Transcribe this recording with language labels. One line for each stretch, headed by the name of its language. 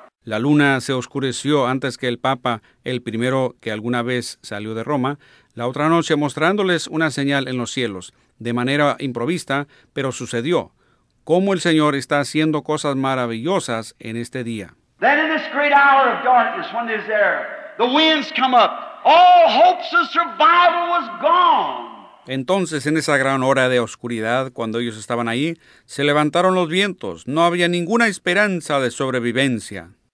Spanish: La luna se oscureció antes que el Papa, el primero que alguna vez salió de Roma, la otra noche mostrándoles una señal en los cielos, de manera improvista, pero sucedió. Cómo el Señor está haciendo cosas maravillosas en este día.
English: Then in this great hour of darkness, when there's air, the winds come up. All hopes of survival was gone.
Spanish: Entonces, en esa gran hora de oscuridad, cuando ellos estaban ahí, se levantaron los vientos. No había ninguna esperanza de sobrevivencia.